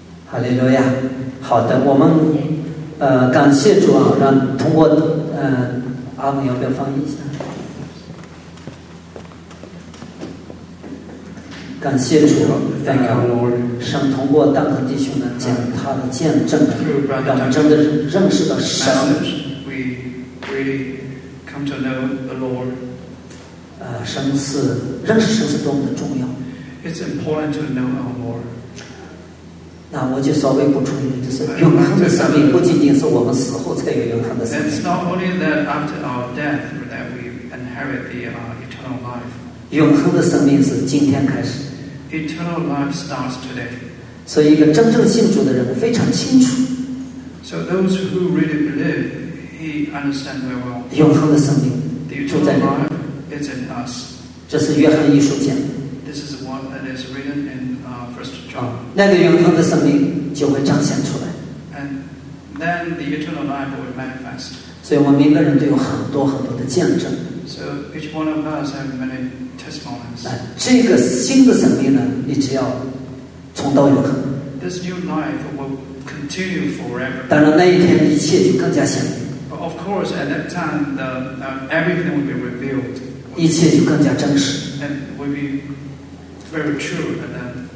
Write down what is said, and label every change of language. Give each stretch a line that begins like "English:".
Chinese: 哈利路亚好的我们感谢主啊让通过阿姆要不要翻译一下感谢主
English: Thank you, Lord.
Chinese: 神通过丹肯弟兄呢讲他的见证让我们真的认识到神
English: We really come to know the Lord.
Chinese: 神是认识神是多么的重要
English: It's important to know our Lord.
Chinese: 那我就稍微补充一点就是永恒的生命不仅仅是我们死后才有永恒的生命
English: It's not only that after our death that we inherit the eternal life.
Chinese: 永恒的生命是今天开始
English: Eternal life starts today.
Chinese: 所以一个真正信主的人非常清楚。
English: So those who really believe, he understands very well.
Chinese: 永恒的生命,
English: the eternal life is in us.
Chinese: 这是约翰一书讲,
English: this is one that is written in First John.
Chinese: 那个永恒的生命就会彰显出来,
English: and then the eternal life will manifest.
Chinese: 所以我们每个人都有很多很多的见证,
English: so each one of us have many testimonies.
Chinese: 这个新的生命呢, 你只要重到永恒,
English: this new life will continue forever.
Chinese: 当然那一天一切就更加显明,
English: but of course at that time the, everything will be revealed.
Chinese: 一切就更加真实,
English: and will be very true at that.